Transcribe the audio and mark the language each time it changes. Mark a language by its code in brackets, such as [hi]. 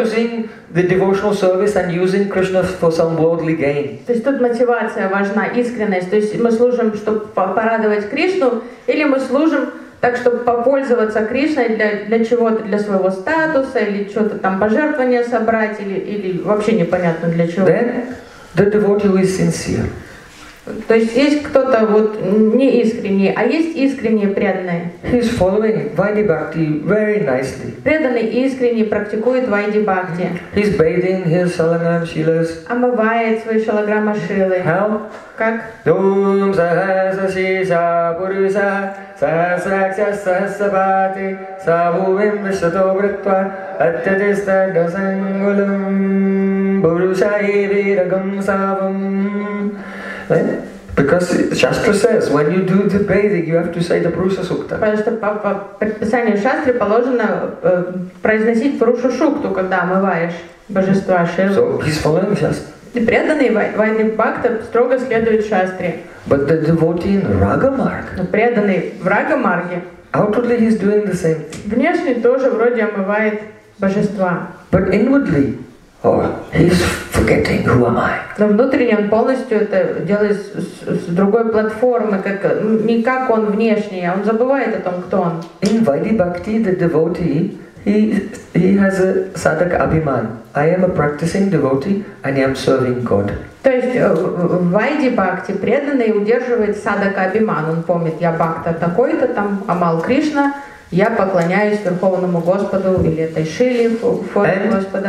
[en] Using the devotional service and using Krishna for some worldly gain. [ru] То есть тут мотивация важна, искренность. То есть мы служим, чтобы порадовать Кришну, или мы служим так, чтобы попользоваться Кришной для чего-то, для своего статуса, или что-то там пожертвования собрать, или вообще непонятно для чего. [en] Then the devotee who is sincere. [ru] То есть есть кто-то вот не искренний, а есть искренние преданные. [en] He's following Vaidhi-Bhakti very nicely. [ru] Преданный искренне практикует Vaidhi-Bhakti. [en] He's bathing his shalagram shilas. [ru] Омывает свои шалаграмма шилы. [en] How? [ru] Как? [sa] Дум сахаса сиша пуруса сахасракся сахасабати савувим вишато вритва аттадиста дасангулам пуруса ивирагам савам. Right? [en] Because Shastra says, when you do the bathing, you have to say the Purusha Sukta. [ru] Потому что по предписанию Шастры положено произносить Пурушу Сукту, когда омываешь божества Шилы. [en] So he's following Shastra. [ru] И преданный Вайдхи-Бхакта строго следует Шастре. [en] But the devotee in Рагамарг. [ru] Но преданный в Рагамарге. [en] Outwardly he's doing the same. [ru] Внешне тоже вроде омывает божества. [en] But inwardly. He's forgetting who am I. [ru] Но внутренне он полностью это делает с другой платформы, как не как он внешний, а он забывает о том, кто он. [en] In Vaidhi-Bhakti, the devotee, he has a sadak abhiman. I am a practicing devotee and I am serving God. [ru] То есть в Вайди-Бхакти преданный удерживает садака абиман. Он помнит, я бхакта такой-то там, амал Кришна. Я поклоняюсь Верховному Господу или этой Шиле, форме Господа.